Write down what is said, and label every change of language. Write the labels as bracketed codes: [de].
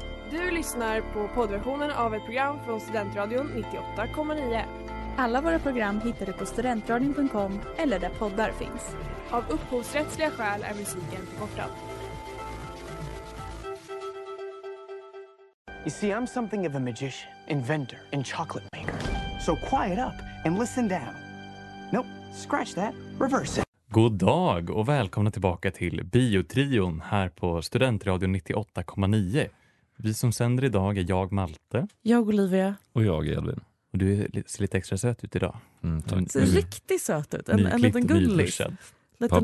[sv] Du lyssnar på poddversionen av ett program från Studentradion 98,9. Alla våra program hittar du på studentradion.com eller där poddar finns. Av upphovsrättsliga skäl är musiken förkortad. [en] You see, I'm something of a magician, inventor, and chocolate maker. So quiet up and listen down. Nope, scratch that, reverse it. [sv] God dag och välkomna tillbaka till Biotrion här på Studentradion 98,9. Vi som sänder idag är jag, Malte. Jag, Olivia. Och jag, Edvin. Och du ser lite extra söt ut idag. Mm, ser riktigt söt ut. En liten gullig. En liten